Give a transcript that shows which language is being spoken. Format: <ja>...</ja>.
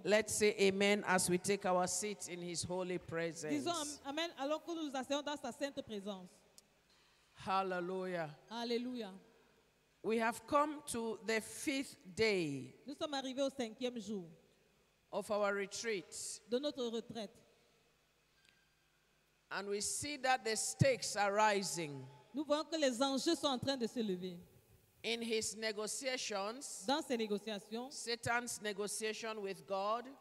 <en>Let's say amen as we take our seats in his holy presence.</en> <fr>Disons amen alors que nous nous asseyons dans sa sainte présence.</fr> <en>Hallelujah. Hallelujah. We have come to the fifth day.</en> <fr>Nous sommes arrivés au cinquième jour.</fr> <en>Of our retreat.</en> <fr>De notre retraite.</fr> <en>And we see that the stakes are rising.</en> <fr>Nous voyons que les enjeux sont en train de se lever.</fr> <en>In his negotiations,</en> <fr>dans ses négociations,</fr> <en>Satan's negotiation with God,</en>